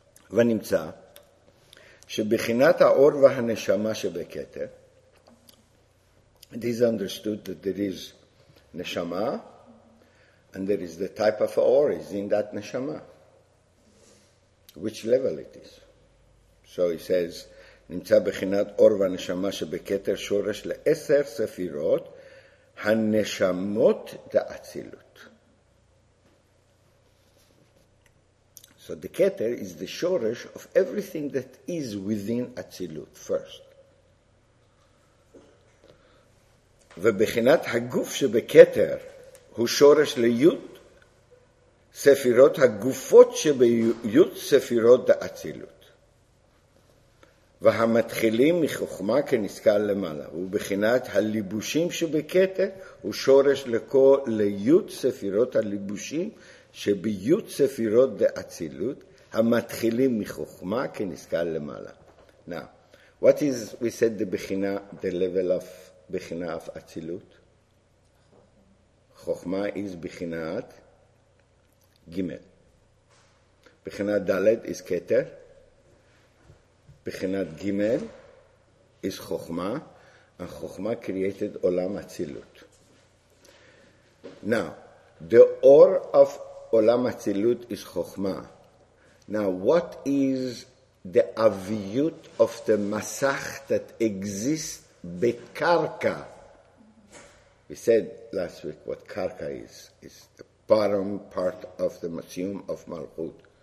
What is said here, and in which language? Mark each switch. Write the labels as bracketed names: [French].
[Hebrew] ונמצא שבחינת האור והנשמה שבכתר, [English] it is understood that there is neshama, and there is the type of aur is in that neshama. Which level it is. So he says, [Hebrew] נמצא בחינת אור והנשמה שבכתר שורש לעשר ספירות, הנשמות דאצילות. [English] So the keter is the shoresh of everything that is within atzilut first. [Hebrew] ובחינת הגוף שבכתר הוא שורש ליוד ספירות הגופות שביוד ספירות דאצילות. והמתחילים מחוכמה כנזכר למעלה, ובחינת הליבושים שבכתר הוא שורש ליוד ספירות הליבושים שביוד ספירות דאצילות, המתחילים מחוכמה כנזכר למעלה. [English] Now, what is, we said, the בחינה, the level of בחינה of אצילות? [Hebrew] חוכמה is בחינת גימל. בחינת דלת is כתר. בחינת גימל is חוכמה. החוכמה created עולם אצילות. [English] Now, the or of עולם אצילות is חוכמה. Now, what is the aviyut of the masach that exists בקרקה? We said last week what karka is. It's the bottom part of the masium of malchut.